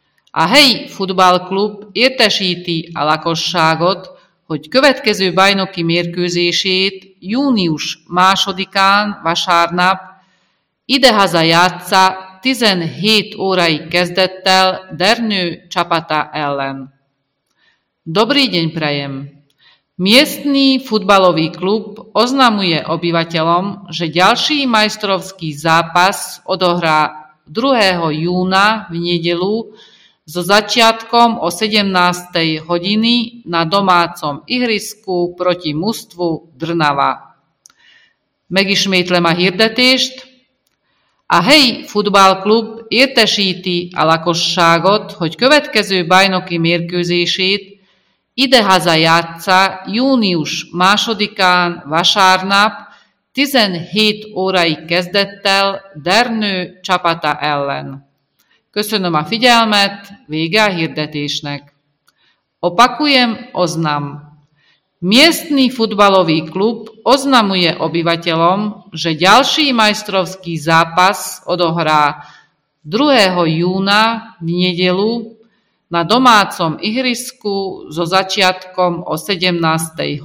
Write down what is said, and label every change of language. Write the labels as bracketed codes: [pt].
[hu] A helyi futballklub értesíti a lakosságot, hogy következő bajnoki mérkőzését június 2-án vasárnap idehaza játssza 17 órai kezdettel Dernő csapata ellen. [sk] Dobrý deň prajem. Miestny futbalový klub oznamuje obyvateľom, že ďalší majstrovský zápas odohrá 2. júna v nedeľu so začiatkom o 17. hodiny na domácom ihrisku proti mužstvu Drnava. [hu] Megismétlem a hirdetést. A helyi futballklub értesíti a lakosságot, hogy következő bajnoki mérkőzését idehaza játssza június 2-án vasárnap 17 órai kezdettel Dernő csapata ellen. Köszönöm a figyelmet, vége a hirdetésnek. [sk] Opakujem, oznam. Miestny futbalový klub oznamuje obyvateľom, že ďalší majstrovský zápas odohrá 2. júna v nedeľu na domácom ihrisku so začiatkom o 17.